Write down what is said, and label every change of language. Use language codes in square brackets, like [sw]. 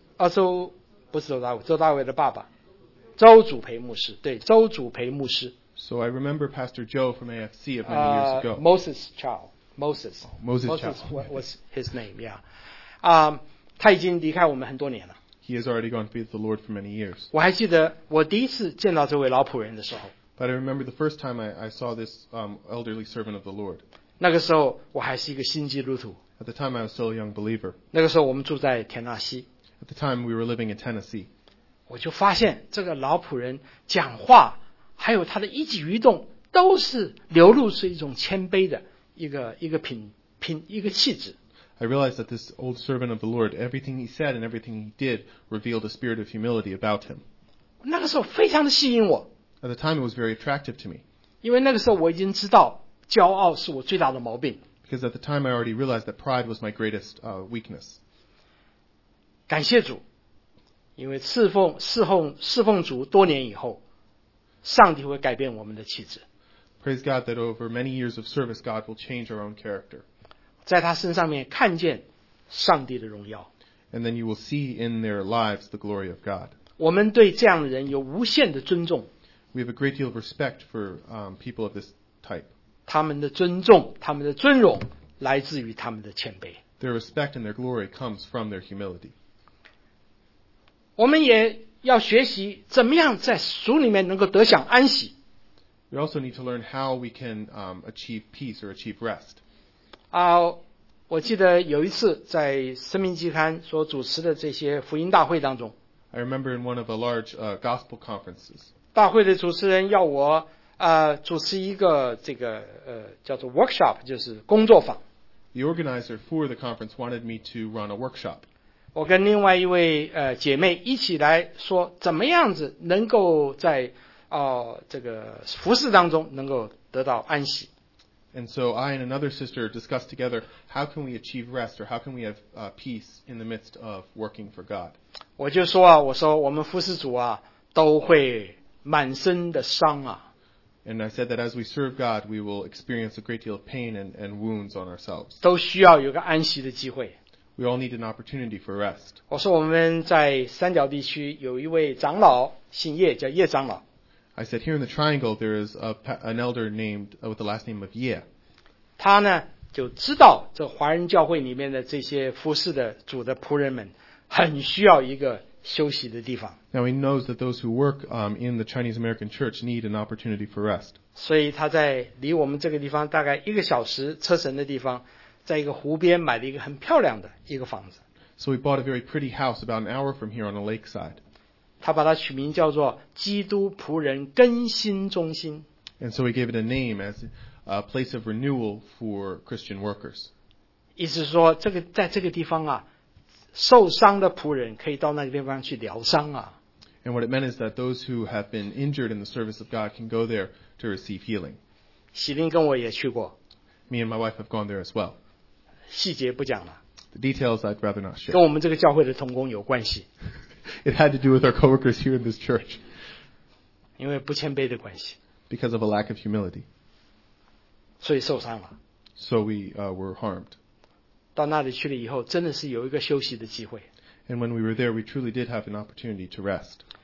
[zh] 周大伟的爸爸，周祖培牧师，对，周祖培牧师。 [en] So I remember Pastor Joe from AFC of many years ago. Moses Chow was his name, yeah. [zh] 他已经离开我们很多年了。 [en] He has already gone with the Lord for many years. [zh] 我还记得我第一次见到这位老仆人的时候。 [en] But I remember the first time I saw this elderly servant of the Lord. [zh] 那个时候我还是一个新基督徒。 [en] At the time I was still a young believer. [zh] 那个时候我们住在田纳西。 [en] At the time we were living in Tennessee. [zh] 我就发现这个老仆人讲话还有他的一举一动都是流露出一种谦卑的一个气质。 [en] I realized that this old servant of the Lord, everything he said and everything he did revealed a spirit of humility about him. [zh] 那个时候非常的吸引我。 [en] At the time it was very attractive to me. [zh] 因为那个时候我已经知道骄傲是我最大的毛病。 [en] Because at the time I already realized that pride was my greatest weakness. [zh] 感谢主，因为侍奉主多年以后，上帝会改变我们的气质。 [en] Praise God that over many years of service, God will change our own character. [zh] 在他身上面看见上帝的荣耀。 [en] And then you will see in their lives the glory of God. [zh] 我们对这样的人有无限的尊重。 [en] We have a great deal of respect for people of this type. [zh] 他们的尊重，他们的尊荣来自于他们的谦卑。 [en] Their respect and their glory comes from their humility. [zh] 我们也要学习怎么样在主里面能够得享安息。 [en] We also need to learn how we can achieve peace or achieve rest. [zh] 我记得有一次在生命季刊所主持的这些福音大会当中。 [en] I remember in one of the large gospel conferences. [zh] 大会的主持人要我主持一个这个叫做 workshop， 就是工作坊。 [en] The organizer for the conference wanted me to run a workshop. [zh] 我跟另外一位姐妹一起来说，怎么样子能够在这个服事当中能够得到安息。 [en] And so I and another sister discussed together how can we achieve rest or how can we have peace in the midst of working for God. [zh] 我就说啊，我说我们服侍主啊，都会满身的伤啊。 [en] And I said that as we serve God, we will experience a great deal of pain and wounds on ourselves. [zh] 都需要有个安息的机会。 [en] We all need an opportunity for rest. [zh] 我说我们在三角地区有一位长老，姓叶，叫叶长老。 [en] I said here in the triangle, there is an elder named with the last name of Ye. [zh] 他呢就知道这华人教会里面的这些服侍的主的仆人们很需要一个休息的地方。 [en] Now he knows that those who work in the Chinese American church need an opportunity for rest. [zh] 所以他在离我们这个地方大概一个小时车程的地方，在一个湖边买了一个很漂亮的一个房子。 [en] So he bought a very pretty house about an hour from here on the lakeside. [zh] 他把它取名叫做基督仆人更新中心。 [en] And so he gave it a name as a place of renewal for Christian workers. [zh] 意思说这个在这个地方啊，受伤的仆人可以到那个地方去疗伤啊。 [en] And what it meant is that those who have been injured in the service of God can go there to receive healing. [zh] 喜林跟我也去过。 [en] Me and my wife have gone there as well. [zh] 细节不讲了。 [en] The details I'd rather not share. [zh] 跟我们这个教会的同工有关系。 [en] It had to do with our coworkers here in this church. [zh] 因为不谦卑的关系。 [en] Because of a lack of humility. [zh] 所以受伤了。 [en] So we were harmed. [zh] 到那里去了以后真的是有一个休息的机会。 [en] And when we were there, we truly did have an opportunity to rest.